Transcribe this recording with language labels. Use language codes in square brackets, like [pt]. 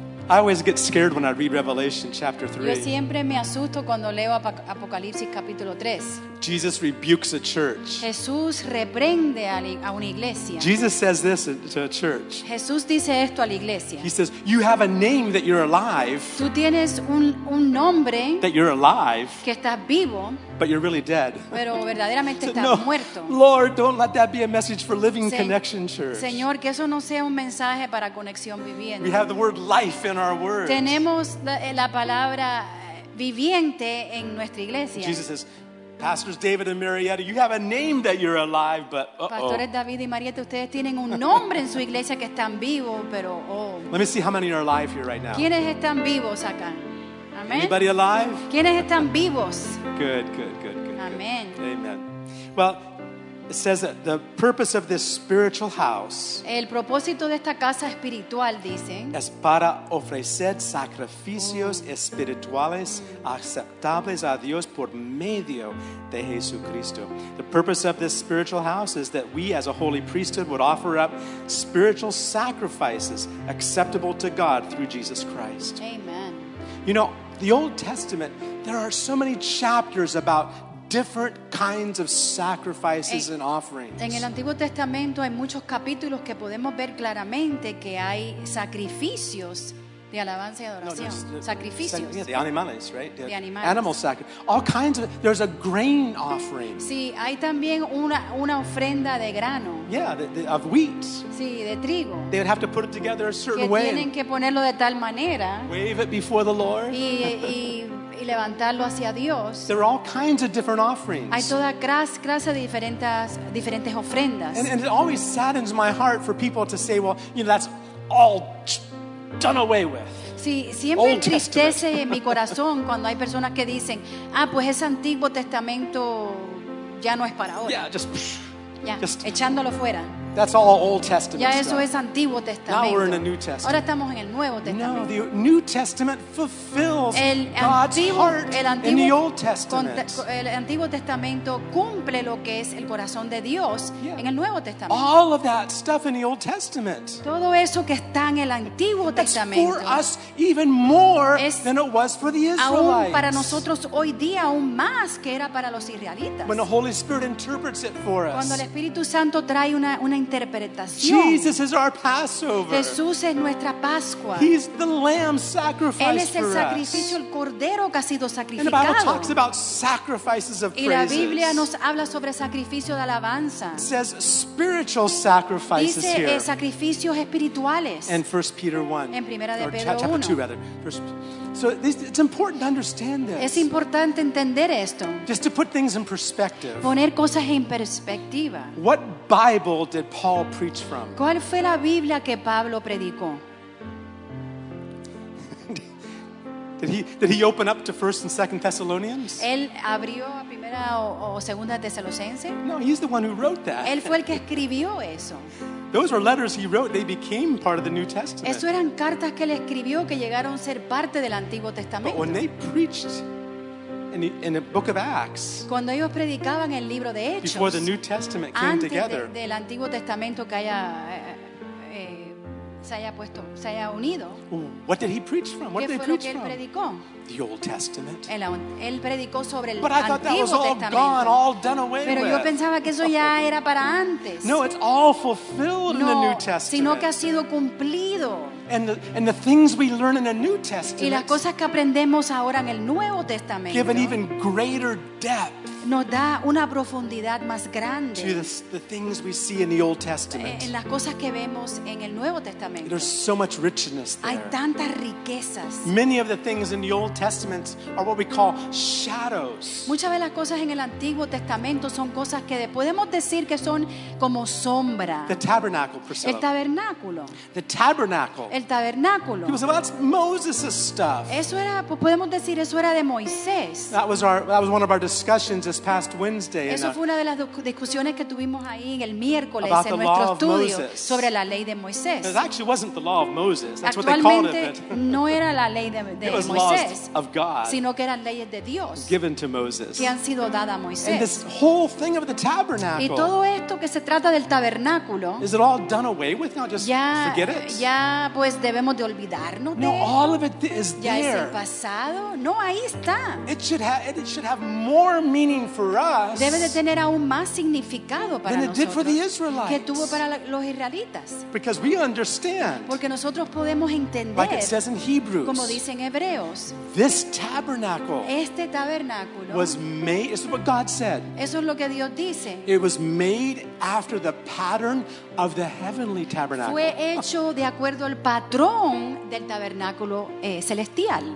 [en] I always get scared when I read Revelation chapter 3. [es] Yo siempre me asusto cuando leo Apocalipsis capítulo 3. [en] Jesus rebukes a church. [es] Jesús reprende a una iglesia. [en] Jesus says this to a church. [es] Jesús dice esto a la iglesia. [en] He says, "You have a name that you're alive." [es] Tú tienes un nombre. [en] That you're alive. [es] Que estás vivo. [en] But you're really dead. [es] Pero verdaderamente estás no, muerto. [en] Lord, don't let that be a message for Living Connection Church. [es] Señor, que eso no sea un mensaje para Conexión Viviente. [en] We have the word life in our words. [es] Tenemos la palabra viviente en nuestra iglesia. [en] Jesus says, Pastors David and Marietta, you have a name that you're alive, but [es] Pastores David y Marietta, ustedes tienen un nombre en su iglesia que están vivos, pero [en] Let me see how many are alive here right now. [es] ¿Quiénes están vivos acá? [en] Anybody alive? [es] ¿Quiénes están vivos? [en] Good. Amen. Good. Amen. Well, it says that the purpose of this spiritual house. [es] El propósito de esta casa espiritual, dicen. Es para ofrecer sacrificios espirituales aceptables a Dios por medio de Jesucristo. [en] The purpose of this spiritual house is that we, as a holy priesthood, would offer up spiritual sacrifices acceptable to God through Jesus Christ. Amen. You know, the Old Testament, there are so many chapters about different kinds of sacrifices and offerings. [es] En el Antiguo Testamento hay muchos capítulos que podemos ver claramente que hay sacrificios de alabanza y adoración. Sacrificios. [en] Yeah, the animales, right? The animales. Animal sacrifice. All kinds of, there's a grain offering. [es] Sí, hay también una ofrenda de grano. [en] Yeah, of wheat. [es] Sí, de trigo. [en] They would have to put it together a certain [es] que [en] way. [es] Que tienen que ponerlo de tal manera. [en] Wave it before the Lord. [es] Y levantarlo hacia Dios. [en] There are all kinds of different offerings. [es] Hay toda clase de diferentes ofrendas. [en] And it always saddens my heart for people to say, well, you know, that's all done away with. [es] Sí, siempre entristece en mi corazón cuando hay personas que dicen, ah, pues ese Antiguo Testamento ya no es para ahora. [en] Yeah, just [es] echándolo fuera. [en] That's all Old Testament. [es] Ya eso es Antiguo Testamento. [en] Now we're in the New Testament. [es] Ahora estamos en el Nuevo Testamento. [en] No, the New Testament fulfills [es] el antiguo, [en] God's heart [es] el antiguo, [en] in the Old Testament. [es] El Antiguo Testamento cumple lo que es el corazón de Dios en el Nuevo Testamento. [en] All of that stuff in the Old Testament. [es] Todo eso que está en el Antiguo Testamento. [en] That's for us even more than it was for the Israelites. [es] Aún para nosotros hoy día aún más que era para los israelitas. [en] When the Holy Spirit interprets it for us. [es] Cuando el Espíritu Santo trae una interpretación. [en] Jesus is our Passover. [es] Jesús es nuestra Pascua. [en] He's the lamb sacrificed for us. [es] Él es el sacrificio, el cordero que ha sido sacrificado. [en] And the Bible talks about sacrifices of praises. [es] Y la Biblia nos habla sobre sacrificio de alabanza. [en] It says spiritual sacrifices here. [es] Dice sacrificios espirituales. [en] In 1 Peter 1. [es] En primera de Pedro [en] 1. Chapter 2 rather. First, so it's important to understand this. [es] Es importante entender esto. [en] Just to put things in perspective. [es] Poner cosas en perspectiva. [en] What Bible did Paul preach from? [es] ¿Cuál fue la Biblia que Pablo predicó? [en] Did he open up to 1 and 2 Thessalonians? [es] ¿Él abrió a primera o segunda Tesalonicenses? [en] No, he's the one who wrote that. [es] Él fue el que escribió eso. [en] Those were letters he wrote. They became part of the New Testament. [es] Eso eran cartas que él escribió que llegaron a ser parte del Antiguo Testamento. [en] But when they preached in the book of Acts, [es] cuando ellos predicaban el libro de Hechos, [en] before the New Testament came [es] antes [en] together, [es] de, del Antiguo Testamento que haya, se haya puesto, se haya unido, [en] what did he preach from? What [es] ¿qué [en] did [es] fue [en] they preach [es] lo que él [en] from? [es] Predicó? [en] The Old Testament. [es] Él predicó sobre el [en] but [es] Antiguo [en] I thought that [es] Testamento. [en] Was all gone, all done away [es] pero [en] with. [es] Yo pensaba que eso ya era para antes. [en] No, it's all fulfilled [es] no, [en] in the New Testament. [es] Sino que ha sido cumplido. [en] And the things we learn in the New Testament [es] y las cosas que aprendemos ahora en el Nuevo Testamento [en] give an even greater depth [es] nos da una profundidad más grande [en] to the things we see in the Old Testament. [es] En las cosas que vemos en el Nuevo Testamento [en] there's so much richness there. [es] Hay tantas riquezas. [en] Many of the things in the Old Testament are what we call shadows. [es] Muchas de las cosas en el Antiguo Testamento son cosas que podemos decir que son como sombra. [en] The tabernacle, Priscilla. [es] El tabernáculo. [en] The tabernacle. [es] El tabernáculo. [en] People say, well, that's Moses' stuff. [es] Eso era, pues podemos decir, eso era de Moisés. [en] That was one of our discussions this past Wednesday. [es] Eso fue una de las discusiones que tuvimos ahí en el miércoles [en] about [es] en nuestro estudio sobre la ley de Moisés. [en] It actually wasn't the law of Moses. That's [es] actualmente, [en] what they called it. [es] No era la ley de [en] it was [es] Moisés, [en] laws of God [es] sino que eran leyes de Dios [en] given to Moses. [es] Que han sido dadas a Moisés. [en] And this whole thing of the tabernacle. [es] Y todo esto que se trata del tabernáculo. [en] Is it all done away with now? Just [es] ya, [en] forget it? [es] Ya pues debemos de olvidarnos de [en] no, all of it is [es] ya [en] there. [es] Es el pasado no, ahí está [en] it should have more meaning for us [es] debe de tener aún más significado para [en] than [es] nosotros [en] it did for the Israelites. [es] Que tuvo para los israelitas [en] because we understand [es] porque nosotros podemos entender [en] like it says in Hebrews [es] como dice en Hebreos [en] this tabernacle [es] este tabernáculo [en] was made this is what God said [es] eso es lo que Dios dice [en] it was made after the pattern of the heavenly tabernacle [es] fue hecho de acuerdo el patrón del tabernáculo celestial.